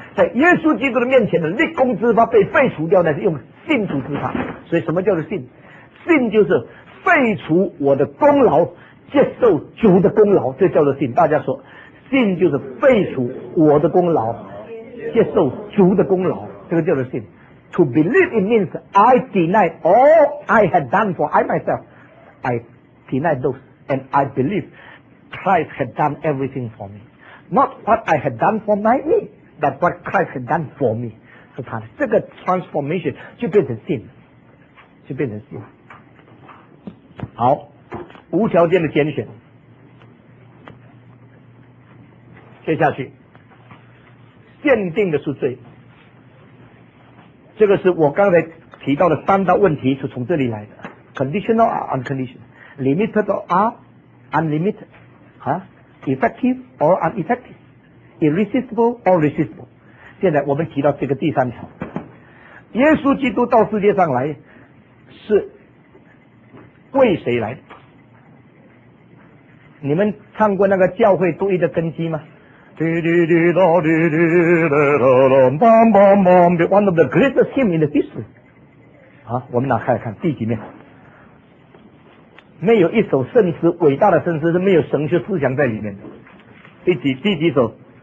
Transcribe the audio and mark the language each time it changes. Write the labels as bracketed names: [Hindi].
[Chinese] 在耶稣基督的面前的立功之发被废除掉，乃是用信主之发。所以什么叫做信？信就是废除我的功劳，接受主的功劳，这叫做信。大家说，信就是废除我的功劳，接受主的功劳，这个叫做信。 [English] To believe it means I deny all I had done for I myself. I deny those and I believe Christ had done everything for me. Not what I had done for my me, but what Christ had done for me. [Chinese] 是他的这个 transformation 就变成信，就变成信。好，无条件的拣选。接下去限定的是罪，这个是我刚才提到的三大问题，是从这里来的。 [English] conditional or unconditional, limited or unlimited, effective or ineffective, irresistible or resistible。 [Chinese] 现在我们提到这个第三条，耶稣基督到世界上来是为谁来？你们唱过那个教会独一的根基吗？ [English] 滴滴滴答滴滴滴答答 bam bam bam， one of the greatest hymn in the history。 [Chinese] 好，我们拿开来看第几面。没有一首圣诗，伟大的圣诗是没有神学思想在里面的。第几首？